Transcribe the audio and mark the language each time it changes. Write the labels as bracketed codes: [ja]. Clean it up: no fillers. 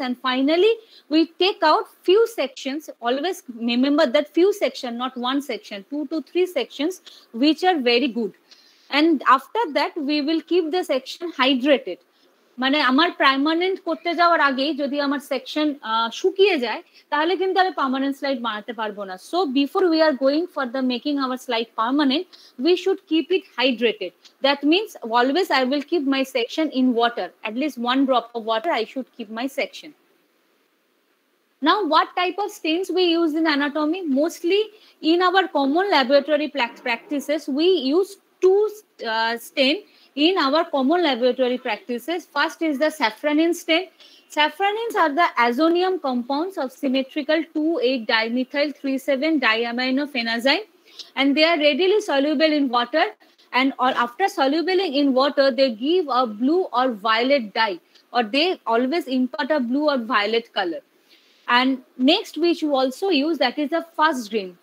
[en] And finally, we take out few sections. Always remember that few section, not one section, 2 to 3 sections, which are very good. And after that, we will keep the section hydrated. [bn] মানে আমার permanent করতে যাওয়ার আগেই যদি আমার section শুকিয়ে যায় তাহলে কিন্তু আমি পার্মানেন্ট স্লাইড বানাতে পারবো না [en] So before we are going for the making our slide permanent we should keep it hydrated that means always I will keep my section in water at least one drop of water I should keep my section now what type of stains we use in anatomy mostly in our common laboratory practices we use to stain In our common laboratory practices, first is the safranin stain. Safranins are the azonium compounds of symmetrical 2,8-dimethyl-3,7-diaminophenazine. And they are readily soluble in water. And after solubling in water, they give a blue or violet dye. Or they always impart a blue or violet color. And next, which you also use, that is the fast green.